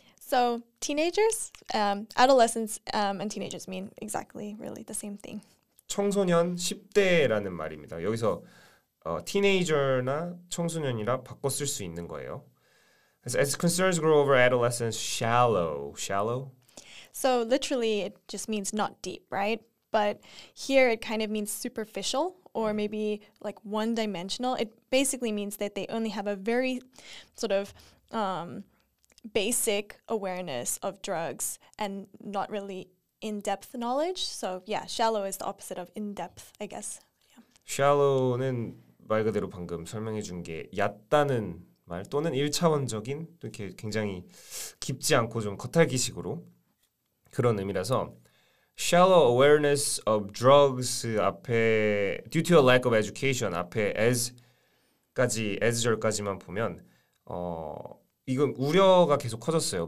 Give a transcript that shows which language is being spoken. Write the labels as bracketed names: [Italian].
[English] So teenagers, adolescents and teenagers mean exactly really the same thing. [Korean] 청소년, 10대라는 말입니다. 여기서 teenager나 청소년이라 바꿔 쓸 수 있는 거예요. [English] As concerns grow over adolescence shallow. So literally it just means not deep, right? But here it kind of means superficial. Or maybe like one-dimensional. It basically means that they only have a very sort of basic awareness of drugs and not really in-depth knowledge. So yeah, shallow is the opposite of in-depth, I guess. Yeah. [Korean] Shallow는 말 그대로 방금 설명해 준 게 얕다는 말 또는 일차원적인 이렇게 굉장히 깊지 않고 좀 겉핥기식으로 그런 의미라서. [English] Shallow awareness of drugs 앞에 due to a lack of education 앞에 as까지 as절까지만 보면 이건 우려가 계속 커졌어요.